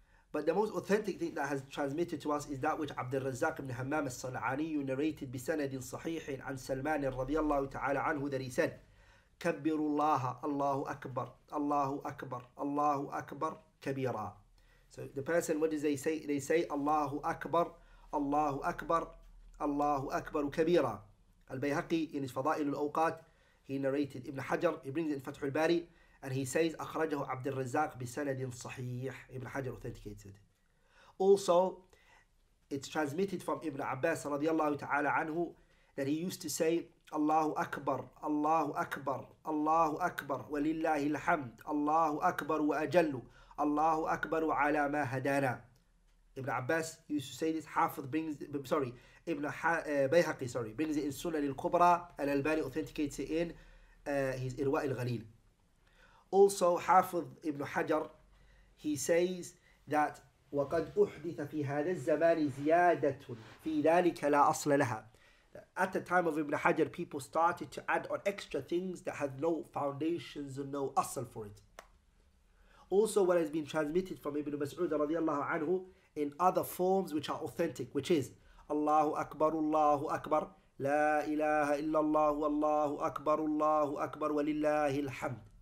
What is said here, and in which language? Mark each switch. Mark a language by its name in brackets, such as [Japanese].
[English] But the most authentic thing that has transmitted to us is that which Abdul Razzaq ibn Hammam al-Sal'ani narrated bi sanadin sahihin an Salman radiyallahu ta'ala anhu that he said, [Arabic] كبروا الله الله أكبر الله أكبر الله أكبر كبيرا. [English] So the person, what do they say? They say [Arabic] الله أكبر الله أكبر الله أكبر كبيرا. [English] البيهقي in his فضائل الأوقات, he narrated Ibn Hajar, he brings in فتح الباري, and he says [Arabic] أخرجه عبد الرزاق بسند صحيح. [English] Ibn Hajar authenticated. Also, it's transmitted from Ibn Abbas رضي الله تعالى عنه that he used to say Allahu Akbar, Allahu Akbar, Allahu Akbar, wa lillahi alhamd, Allahu Akbar wa ajallu, Allahu Akbar wa ala ma hadana. Ibn Abbas used to say this, Ibn Bayhaqi brings it in Sunan al-Kubra, and al-Albani authenticates it in his Irwa al-Ghalil. Also, Hafidh Ibn Hajar, he says that [Arabic] وَقَدْ أُحْدِثَ فِي هَذَا الزَّمَانِ زِيَادَةٌ فِي ذَلِكَ لَا أَصْلَ لَهَا. [English] At the time of Ibn Hajar, people started to add on extra things that had no foundations and no asl for it. Also, what has been transmitted from Ibn Mas'ud radiallahu anhu in other forms which are authentic, which is Allahu Akbar, Allahu Akbar, La ilaha illallah, Allahu Akbar, Allahu Akbar, wa lillahi alhamd.